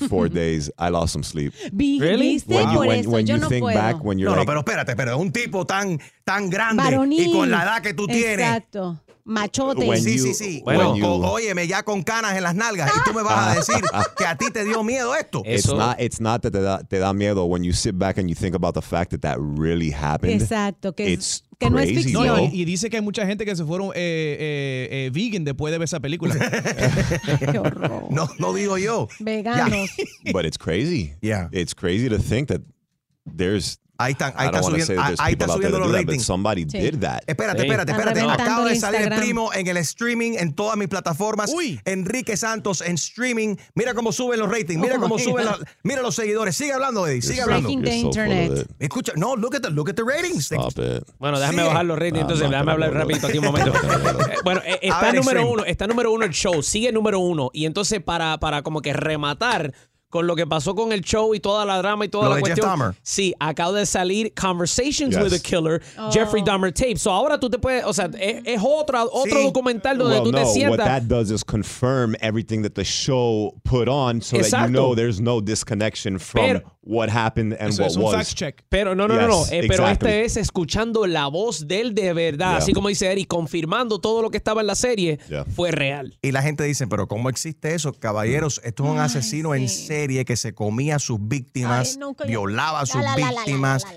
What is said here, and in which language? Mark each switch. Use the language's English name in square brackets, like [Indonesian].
[English] 4 days, I lost some sleep. Really? [Spanish] No, pero espérate, un tipo tan grande varonil. Y con la edad que tú tienes. Exacto. Machote. Sí. Bueno, óyeme, ya con canas en las nalgas. Y tú me vas a decir que a ti te dio miedo esto. [English] It's not that [Spanish] te da miedo. [English] When you sit back and you think about the fact that really happened. [Spanish] Exacto. Que [English] crazy, [Spanish] no es ficción. No, y dice que hay mucha gente que se fueron vegan después de ver esa película. Qué horror. No digo yo. Veganos. [English] Yeah. But it's crazy. Yeah. It's crazy to think that there's... [Spanish] Ahí está subiendo los ratings. [English] Somebody did that. [Spanish] Espérate. Acaba de salir el primo en el streaming, en todas mis plataformas. Uy. Enrique Santos en streaming. Mira cómo suben los ratings. Mira cómo suben mira los seguidores. Sigue hablando, Eddie. [English] Breaking the internet. [Spanish] Escucha, no, [English] look at the ratings. Stop it. [Spanish] Bueno, déjame bajar los ratings. Entonces, déjame hablar rapidito aquí un momento. Bueno, está número uno el show. Sigue número uno. Y entonces, para como que rematar... con lo que pasó con el show y toda la drama y toda la cuestión. Jeff Dahmer. Sí, acaba de salir Conversations with a Killer, Jeffrey Dahmer Tape. So ahora tú te puedes, o sea, es otro documental donde tú te sientas. [English] What that does is confirm everything that the show put on so [Spanish] exacto. [English] That you know there's no disconnection from what happened and what was. [Spanish] Es un fact check. Pero [English] no. Exactly. [Spanish] Pero este es escuchando la voz de él de verdad. Yeah. Así como dice Eric, confirmando todo lo que estaba en la serie, fue real. Y la gente dice, pero ¿cómo existe eso? Caballeros, esto es un asesino en serio. Serie que se comía a sus víctimas, violaba a sus víctimas.